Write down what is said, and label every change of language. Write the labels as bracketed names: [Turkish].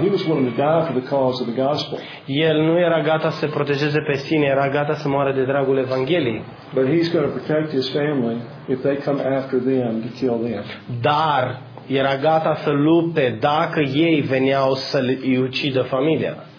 [English] He was willing to die for the cause of the gospel. [Romanian] El nu era gata să se protejeze pe sine, era gata să moară de dragul Evangheliei. [English] But he's going to protect his family if they come after them to kill them. [Romanian] Dar era gata să lupte dacă ei veneau să îi ucidă familia.